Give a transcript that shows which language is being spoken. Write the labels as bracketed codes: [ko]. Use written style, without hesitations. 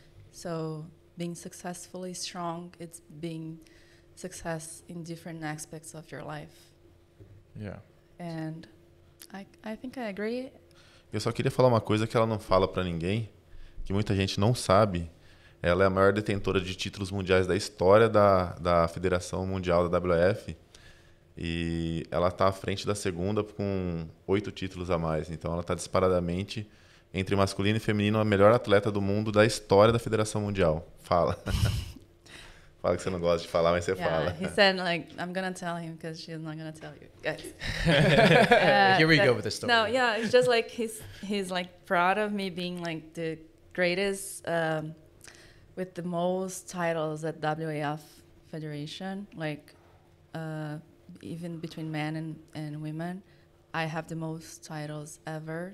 [en] So being successfully strong, it's being success in different aspects of your life. Yeah. And I think I agree. [pt] Eu só queria falar uma coisa que ela não fala para ninguém, que muita gente não sabe. Ela é a maior detentora de títulos mundiais da história da Federação Mundial da WF. E ela tá à frente da segunda com 8 títulos a mais. Então ela tá disparadamente entre masculino e feminino a melhor atleta do mundo da história da Federação Mundial. Fala. Fala que você não gosta de falar, mas você fala. [en] He said, like, I'm gonna tell him because she's not gonna tell you guys. Here we go with the story. No, yeah, it's just like he's like proud of me being like the greatest, with the most titles at WAF Federation. Like, even between men and women, I have the most titles ever.